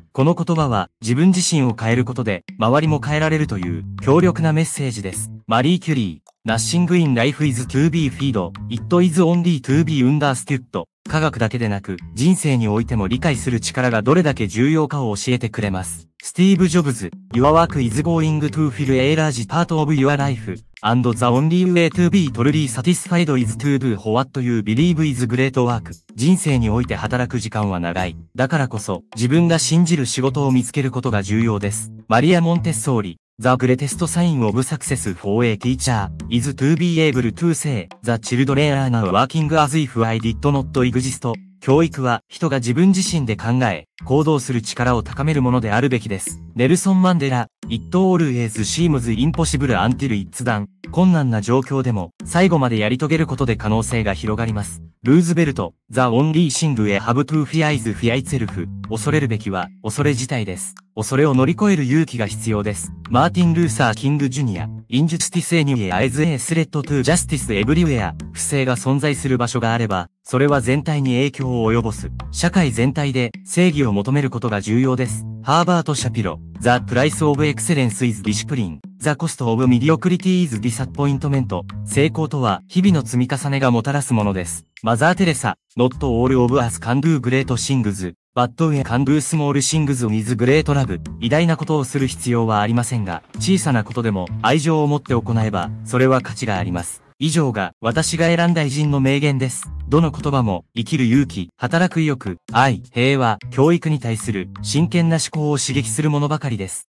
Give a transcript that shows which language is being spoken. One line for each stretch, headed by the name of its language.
Japanese: この言葉は、自分自身を変えることで、周りも変えられるという、強力なメッセージです。
English: マリー・キュリー、Nothing in life is to be feed, it is only to be understood。
Japanese: 科学だけでなく、人生においても理解する力がどれだけ重要かを教えてくれます。
English: スティーブ・ジョブズ、Your work is going to fill a large part of your life. And the only way to be truly satisfied is to do what you believe is great work.
Japanese: 人生において働く時間は長い。だからこそ、自分が信じる仕事を見つけることが重要です。
English: マリア・モンテッソーリ、The greatest sign of success for a teacher is to be able to say, The children are now working as if I did not exist.
Japanese: 教育は人が自分自身で考え、行動する力を高めるものであるべきです。
English: ネルソン・マンデラ、It always seems impossible until it's done.
Japanese: 困難な状況でも、最後までやり遂げることで可能性が広がります。
English: ルーズベルト、The only thing I have to fear is fear itself.
Japanese: 恐れるべきは、恐れ自体です。恐れを乗り越える勇気が必要です。
English: マーティン・ルーサー・キング・ジュニア、Injustice anywhere is a threat to justice everywhere.
Japanese: 不正が存在する場所があれば、それは全体に影響を及ぼす。社会全体で正義を求めることが重要です。
English: ハーバート・シャピロ、The price of excellence is discipline. The cost of mediocrity is disappointment.
Japanese: 成功とは日々の積み重ねがもたらすものです。
English: マザー・テレサ、Not all of us can do great things. But we can do small things with great love.
Japanese: 偉大なことをする必要はありませんが、小さなことでも愛情を持って行えば、それは価値があります。以上が私が選んだ偉人の名言です。どの言葉も、生きる勇気、働く意欲、愛、平和、教育に対する真剣な思考を刺激するものばかりです。